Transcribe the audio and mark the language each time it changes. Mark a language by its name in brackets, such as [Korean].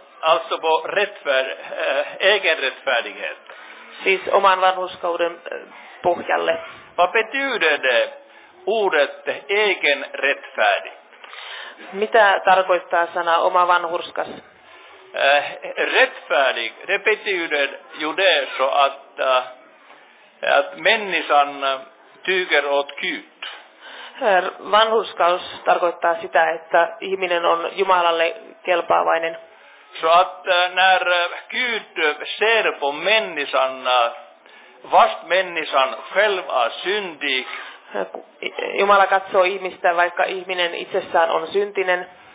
[Swedish] Alltså på egen rättfärdighet. [Finnish] Siis oman vanhurskauden pohjalle. [Swedish] Vad betyder det ordet egen rättfärdig? [Finnish] Mitä tarkoittaa sana oma vanhurskas? [Swedish] Rättfärdig, det betyder ju det så att, att människan tyger åt Gud. [Finnish] Vanhurskaus tarkoittaa sitä, että ihminen on Jumalalle kelpaavainen. [Swedish] Så att när Gud ser på människan, vast människan själv är syndig. [Finnish] Jumala katsoo ihmistä, vaikka ihminen itsessään on syntinen.